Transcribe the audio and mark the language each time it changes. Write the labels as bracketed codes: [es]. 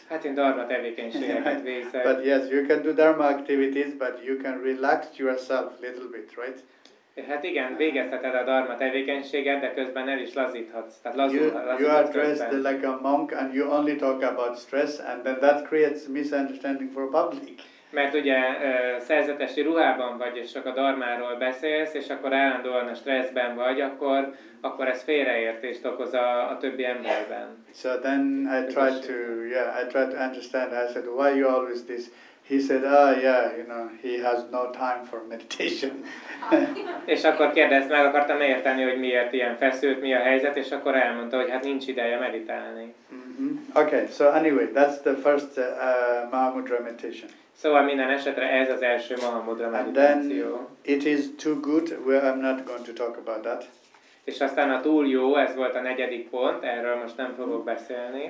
[hu] Hát én dharma tevékenységeket végzek. [en] But yes, you can do dharma activities, but you can relax yourself a little bit, right? [hu] Hát igen, végezheted a dharma tevékenységet, de közben el is lazíthatsz. Tehát [en] you are dressed like a monk and you only talk about stress and then that creates misunderstanding for public. [hu] Mert ugye szerzetesi ruhában vagy, és csak a dharmáról beszélsz, és akkor állandóan a stresszben vagy, akkor ez félreértést okoz a többi emberben. [en] So then I tried to understand. I said, why you always this? He said, oh yeah, you know, he has no time for meditation. [hu] És akkor kérdezt meg, akartam érteni, hogy miért ilyen feszült, mi a helyzet, és akkor elmondta, hogy hát nincs ideje meditálni. Mm-hmm. [en] Okay, so anyway, that's the first Mahamudra meditation. [hu] Szóval minden esetre ez az első Mahamudra meditáció. [en] And then it is too good, well, I'm not going to talk about that. [hu] És aztán a túl jó, ez volt a negyedik pont, erről most nem fogok beszélni.